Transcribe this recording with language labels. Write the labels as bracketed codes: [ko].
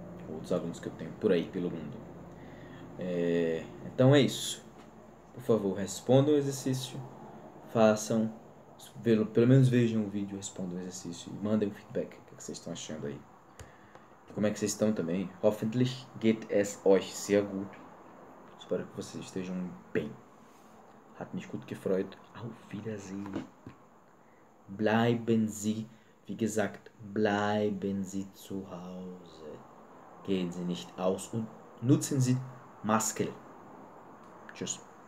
[pt] Outros alunos que eu tenho por aí pelo mundo. Então é isso. Por favor, respondam o exercício. Façam. Pelo menos vejam o vídeo, respondam o exercício. E mandem o feedback. O que vocês estão achando aí? Como é que vocês estão também? [de] Hoffentlich geht es euch sehr gut. [pt] Espero que vocês estejam bem. [de] Hat mich gut gefreut. Auf Wiedersehen. Bleiben Sie, wie gesagt, bleiben Sie zu Hause. Gehen Sie nicht aus und nutzen Sie Maske. Tschüss.